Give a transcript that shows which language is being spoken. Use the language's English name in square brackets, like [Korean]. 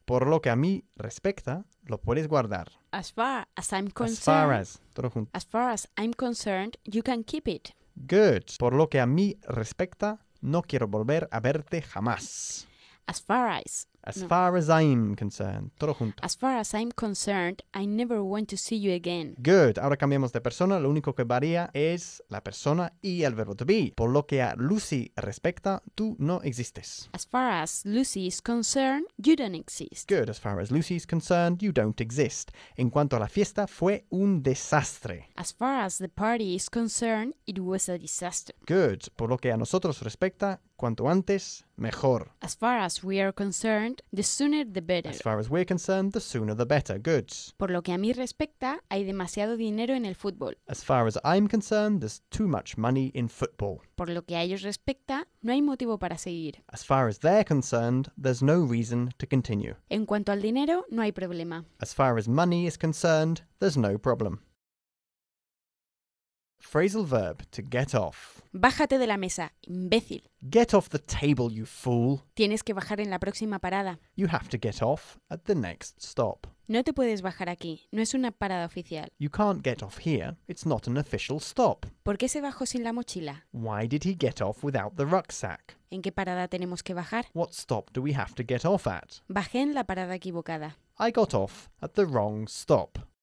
[Spanish] Por lo que a mí respecta, lo puedes guardar. [English] As far as I'm concerned. As far as. [Spanish] Todo junto. [English] As far as I'm concerned, you can keep it. Good. [Spanish] Por lo que a mí respecta, no quiero volver a verte jamás. [English] As far as. As no. far as I'm concerned. [Spanish] Todo junto. [English] As far as I'm concerned, I never want to see you again. Good. [Spanish] Ahora cambiamos de persona. Lo único que varía es la persona y el verbo to be. Por lo que a Lucy respecta, tú no existes. [English] As far as Lucy is concerned, you don't exist. Good. As far as Lucy is concerned, you don't exist. [Spanish] En cuanto a la fiesta, fue un desastre. [English] As far as the party is concerned, it was a disaster. Good. [Spanish] Por lo que a nosotros respecta, cuanto antes, mejor. [English] As far as we are concerned, the sooner the better. As far as we're concerned, the sooner the better. Good. [Spanish] Por lo que a mí respecta, hay demasiado dinero en el fútbol. [English] As far as I'm concerned, there's too much money in football. [Spanish] Por lo que a ellos respecta, no hay motivo para seguir. [English] As far as they're concerned, there's no reason to continue. [Spanish] En cuanto al dinero, no hay problema. [English] As far as money is concerned, there's no problem. Phrasal verb to get off. [Spanish] Bájate de la mesa, imbécil. [English] Get off the table, you fool. [Spanish] Tienes que bajar en la próxima parada. [English] You have to get off at the next stop. [Spanish] No te puedes bajar aquí, no es una parada oficial. [English] You can't get off here, it's not an official stop. [Spanish] ¿Por qué se bajó sin la mochila? [English] Why did he get off without the rucksack? [Spanish] ¿En qué parada tenemos que bajar? [English] What stop do we have to get off at? [Spanish] Bajé en la parada equivocada. [English] I got off at the wrong stop.